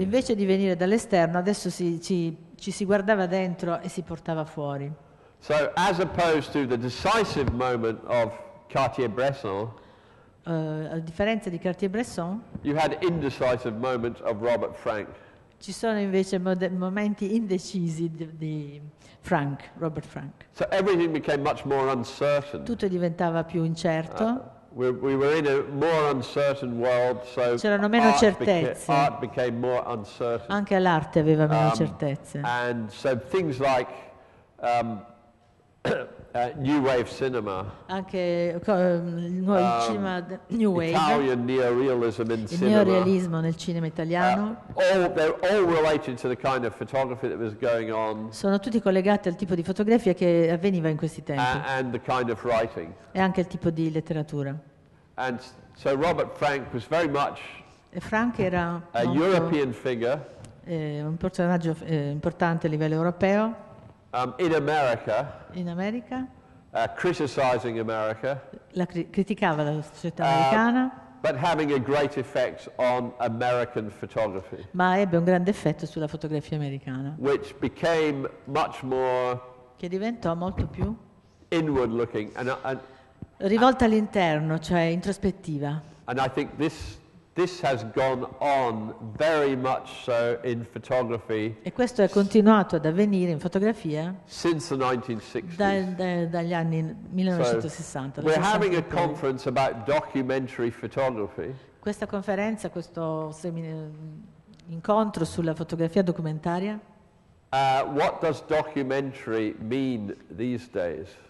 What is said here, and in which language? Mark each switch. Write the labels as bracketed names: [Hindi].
[Italian] Invece di venire dall'esterno, adesso ci si guardava dentro e si portava fuori. [English] So as opposed to the decisive moment of Cartier-Bresson. [Italian] A differenza di Cartier-Bresson. [English] You had indecisive moments of Robert Frank. [Italian] Ci sono invece momenti indecisi di Frank, Robert Frank. [English] So everything became much more uncertain. [Italian] Tutto diventava più incerto. [English] We were in a more uncertain world, so [Italian] c'erano meno certezze. [English] Art became more uncertain. [Italian] Anche l'arte aveva meno certezze. [English] And so things like new wave cinema. [Italian] Anche il cinema new wave. [English] Italian neorealism in [Italian] il cinema. Il neorealismo nel cinema italiano. [English] They're all related to the kind of photography that was going on. [Italian] Sono tutti collegati al tipo di fotografia che avveniva in questi tempi. [English] And the kind of writing. [Italian] E anche il tipo di letteratura. [English] And so Robert Frank was very much. [Italian] E Frank era [English] a European figure. [Italian] Un personaggio importante a livello europeo. [English] In America. [Italian] In America. [English] criticizing America, [Italian] criticava la società americana, [English] but having a great effect on American photography, [Italian] ma ebbe un grande effetto sulla fotografia americana, [English] which became much more, [Italian] che diventò molto più [English] inward looking and [Italian] rivolta all'interno, cioè introspettiva. [English] And I think this has gone on very much so in photography. [Italian] E questo è continuato ad avvenire in fotografia [English] since the 1960s. [Italian] Dagli anni 1960. [English] So we're having a conference about documentary photography. [Italian] Questa conferenza, questo incontro sulla fotografia documentaria. [English] What does documentary mean these days?